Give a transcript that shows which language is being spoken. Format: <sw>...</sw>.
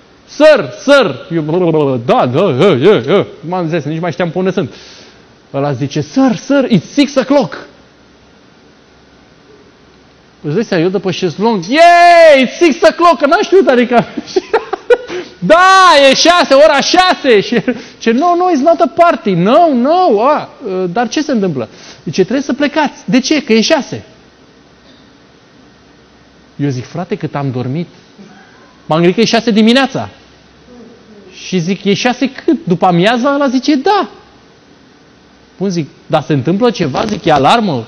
<ro>Sir, eu, m-am zis, nici mai știam pe unde sunt. Ăla zice,</ro> <en>sir, it's 6 o'clock.</en> <ro>Îți dai seama, eu după șezlong,</ro> <en>yay, it's 6 o'clock,</en> <ro>că n-am știut, adică. Da, e 6, ora 6. Și ce,</ro> <en>no, it's not a party, no.</en> <ro>Dar ce se întâmplă? Zice, trebuie să plecați. De ce? Că e 6. Eu zic, frate, cât am dormit. M-am gândit că e 6 dimineața. Și zic, e 6 cât? După amiaza? Ăla zice, da. Bun, zic, dar se întâmplă ceva? Zic, e alarmă?</ro>